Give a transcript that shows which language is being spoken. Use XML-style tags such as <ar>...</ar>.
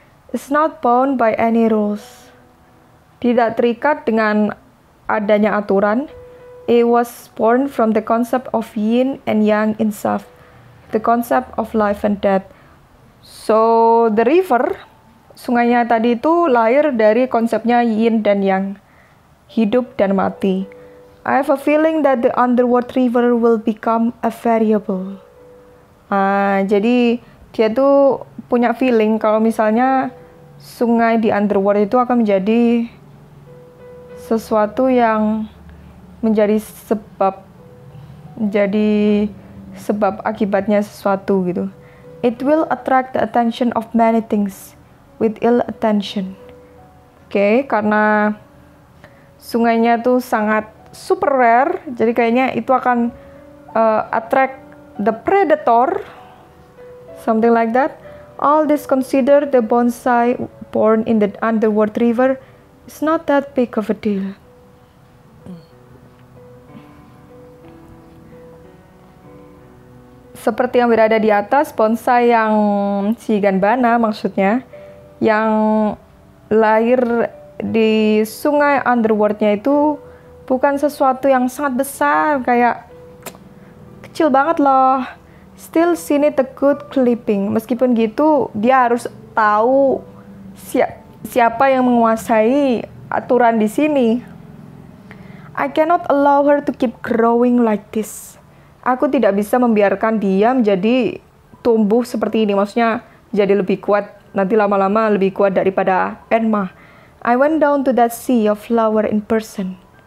<en>It's not bound by any rules.</en> <id>Tidak terikat dengan adanya aturan.</id> <en>It was born from the concept of yin and yang in self, the concept of life and death. So the river,</en> <id>sungainya tadi itu lahir dari konsepnya yin dan yang, hidup dan mati.</id> <en>I have a feeling that the underworld river will become a variable.</en> <id>Jadi dia tuh punya feeling kalau misalnya sungai di underworld itu akan menjadi sesuatu yang menjadi sebab akibatnya sesuatu gitu.</id> <en>It will attract the attention of many things with ill attention.</en> <id>Okay, karena sungainya tuh sangat super rare, jadi kayaknya itu akan</id> <en>attract the predator, something like that. All this considered, the bonsai born in the underworld river is not that big of a deal.</en> <id>Seperti yang berada di atas, bonsai yang si Higanbana maksudnya, yang lahir di sungai underworld-nya itu bukan sesuatu yang sangat besar, kayak kecil banget loh.</id> <en>Still seen it a good clipping.</en> <id>Meskipun gitu, dia harus tahu siapa yang menguasai aturan di sini.</id> <en>I cannot allow her to keep growing like this.</en> <id>Aku tidak bisa membiarkan dia menjadi tumbuh seperti ini. Maksudnya jadi lebih kuat, nanti lama-lama lebih kuat daripada Enma.</id> <en>I went down to that sea of flower in person.</en>